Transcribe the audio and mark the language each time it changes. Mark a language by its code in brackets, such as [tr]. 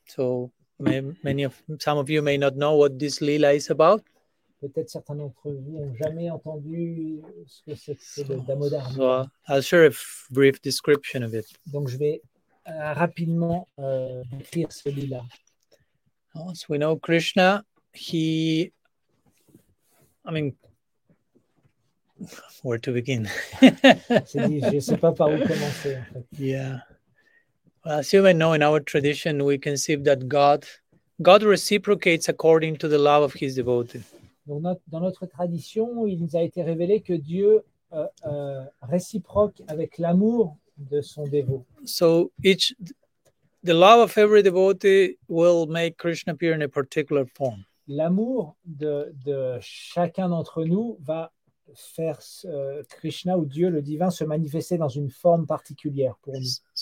[en] So some of you may not know what this Lila is about. [fr] Peut-être certains d'entre vous n'ont jamais entendu ce que c'est que le Damodar [en] Lila. So I'll share a brief description of it. [fr] Donc je vais rapidement décrire ce Lila. [en] As we know, Krishna, where to begin? [fr] Je sais pas par où commencer, en fait. [en] Yeah. Well, as you may know, in our tradition, we conceive that God reciprocates according to the love of his devotee. [fr] Dans notre tradition, il nous a été révélé que Dieu réciproque avec l'amour de son dévot. [en] So the love of every devotee will make Krishna appear in a particular form. [fr] L'amour de chacun d'entre nous va faire Krishna ou Dieu le divin se manifester dans une forme particulière pour nous.